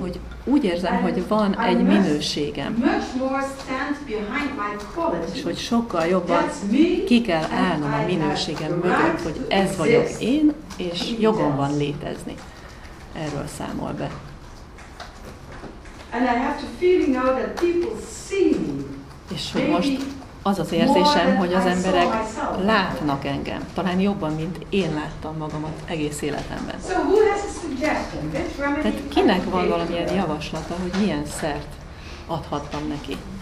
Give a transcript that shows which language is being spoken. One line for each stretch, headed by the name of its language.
Hungarian: hogy úgy érzem, hogy van egy minőségem,
English: much more stand behind my quality.
Hungarian: És hogy sokkal jobban ki kell állnom a minőségem mögött, hogy ez vagyok én, és jogom van létezni. Erről számol be.
English: And I have the feeling now that people see me.
Hungarian: És hogy most az az érzésem, hogy az emberek látnak engem. Talán jobban, mint én láttam magamat egész életemben.
English: So who has a suggestion?
Hungarian: Tehát kinek van valamilyen javaslata, hogy milyen szert adhattam neki?